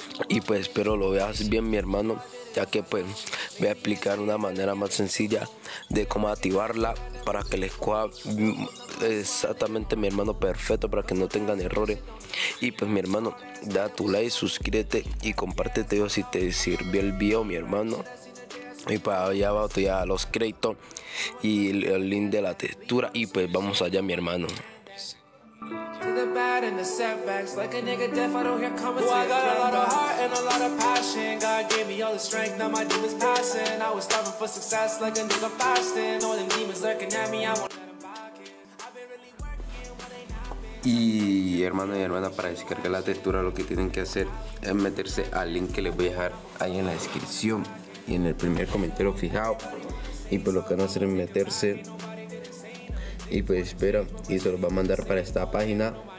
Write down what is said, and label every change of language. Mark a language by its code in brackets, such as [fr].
[es] Y pues espero lo veas bien, mi hermano, ya que pues voy a explicar una manera más sencilla de cómo activarla para que les coja exactamente, mi hermano, perfecto, para que no tengan errores. Y pues mi hermano, da tu like, suscríbete y compártete si te sirvió el video, mi hermano. Y pues allá va, ya los créditos y el link de la textura. Y pues vamos allá, mi hermano. [en] And the setbacks, like a nigga deaf, I don't hear comments. Oh, I got a lot of heart and a lot of passion. God gave me all the strength, now my demons passing. I was starving for success, like a nigga fasting. All them demons lurking at me, I want. [es] Y hermano y hermana, para descargar la textura, lo que tienen que hacer es meterse al link que les voy a dejar ahí en la descripción y en el primer comentario fijado. Y pues lo que van a hacer es meterse y pues espera, y se los va a mandar para esta página.